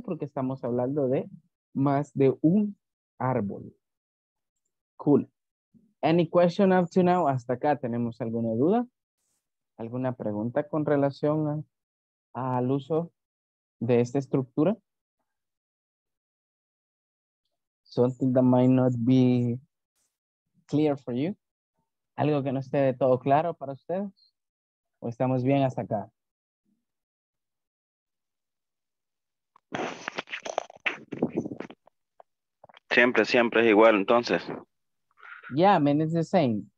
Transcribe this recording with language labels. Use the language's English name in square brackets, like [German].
[Spanish] Porque estamos hablando de más de un árbol. Cool. [English] Any question up to now? [Spanish] Hasta acá, ¿tenemos alguna duda? ¿Alguna pregunta con relación al uso de esta estructura? [English] Something that might not be clear for you. [Spanish] ¿Algo que no esté de todo claro para ustedes? ¿O estamos bien hasta acá? Siempre es igual, entonces. [English] Yeah, man, it's the same.